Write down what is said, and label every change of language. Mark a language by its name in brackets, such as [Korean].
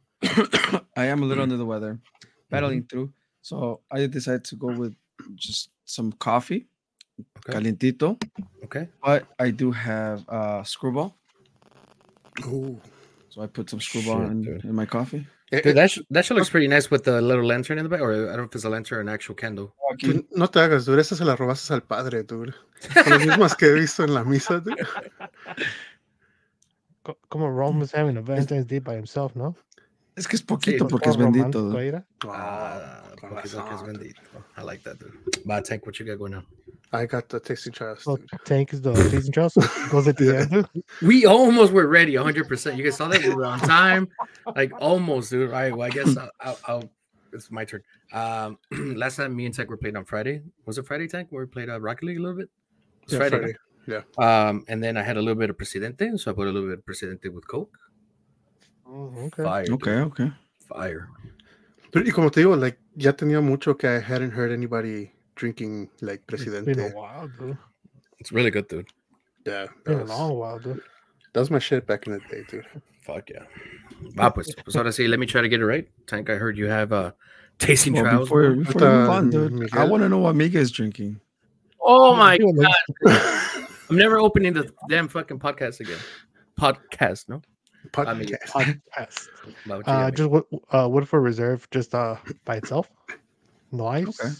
[English] I am a little under the weather, battling through. So I decided to go with just some coffee, okay. [Spanish] Calientito. [English] Okay. But I do have a Screwball. Ooh. So I put some Screwball in my coffee. Dude, that shit looks pretty nice with the little lantern in the back, or I don't know if it's a lantern or an actual candle. [Spanish] Okay. No te hagas, dude. Esa se la robaste al padre, dude. Con las mismas que he visto en la misa, dude. [English] Come on, Rome is having a Valentine's Day by himself, no? [Spanish] Es que es poquito sí, porque es bendito. Ah, porque es bendito. [English] I like that, dude. But Tank, what you got going on? I got the Tasting Trials. Well, Tank is the Tasting Trials. Goes at the end. We almost were ready, 100%. You guys saw that? We were on time. Like, almost, dude. All right, well, I guess I'll it's my turn. last time, me and Tank were playing on Friday. Was it Friday, Tank, where we played Rocket League a little bit? It's yeah, Friday. Yeah. And then I had a little bit of Presidente, so I put a little bit of Presidente with Coke. Okay. Fire. But, [Spanish] y como te digo, [English] like, [Spanish] ya tenía mucho que [English] I hadn't heard anybody drinking like Presidente. It's been a while, dude. It's really good, dude. Yeah. Been a long while, dude. That was my shit back in the day, dude. Fuck yeah. Bah, [Spanish] pues, pues ahora sí, [English] let me try to get it right. Tank, I heard you have a tasting trials. Before we move on, dude, I want to know what Miguel is drinking. Oh my God. I'm never opening the damn fucking podcast again. Podcast, no? Podcast. Just Woodford Reserve, just by itself. No ice. Okay.